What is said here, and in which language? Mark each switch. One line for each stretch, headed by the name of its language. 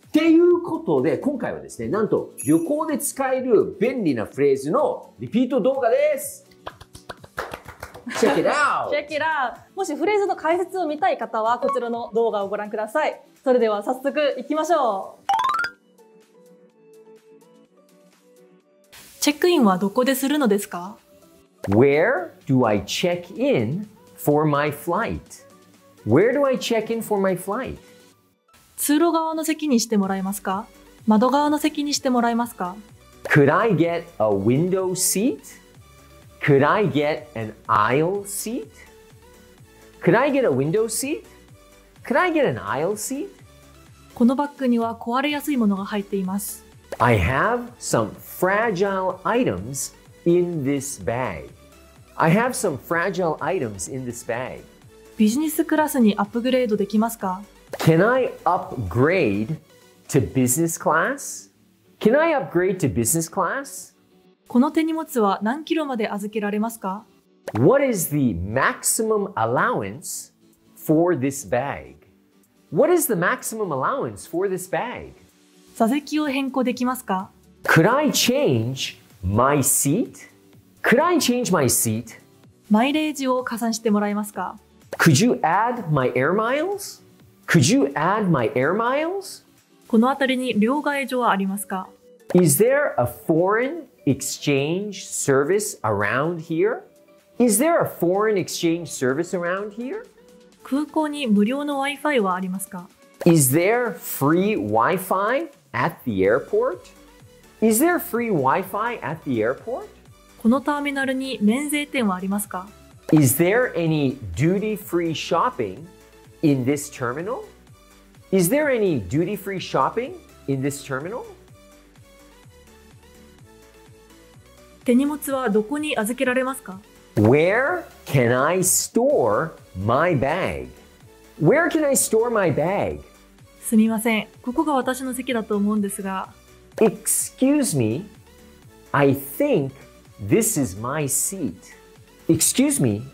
Japanese: っていうことで、今回はですね、なんと旅行で使える便利なフレーズのリピート動画です。
English: Check it out! Check it out!
Japanese: もしフレーズの解説を見たい方は、こちらの動画をご覧ください。それでは早速行きましょう。チェックインはどこでするのですか？
English: Where do I check in for my flight? Where do I check in for my flight?
Japanese: 通路側の席にしてもらえますか？窓側の席にしてもらえますか？
English: Could I get a window seat? Could I get an aisle seat? Could I get a window seat? Could I get an aisle seat?
Japanese: このバッグには壊れやすいものが入っています。
English: I have some fragile items in this bag. I have some fragile items in this bag.
Japanese: ビジネスクラスにアップグレードできますか?
English: Can I upgrade to business class? Can I upgrade to business class?
Japanese: この手荷物は何キロまで預けられますか?
English: What is the maximum allowance? For this bag. What is the maximum allowance for this bag?
Japanese: 座席を変更できますか?
English: Could I change my seat? Could I change my seat?
Japanese: マイレージを加算してもらえますか?
English: Could you add my air miles? Could you add my air miles?
Japanese: この辺りに両替所はありますか?
English: Is there a foreign exchange service around here? Is there a foreign exchange service around here?
Japanese: 空港に無料の Wi-Fi はありますか?
English: Is there free Wi-Fi at the airport? Is there free Wi-Fi at the airport?
Japanese: このターミナルに免税店はありますか?
English: Is there any duty-free shopping in this terminal? Is there any duty-free shopping in this terminal?
Japanese: 手荷物はどこに預けられますか?
English: Where can I storeMy bag. Where can I store my bag?
Japanese: すみません。ここが私の席だと思うんですが。
English: Excuse me. I think this is my seat. Excuse me.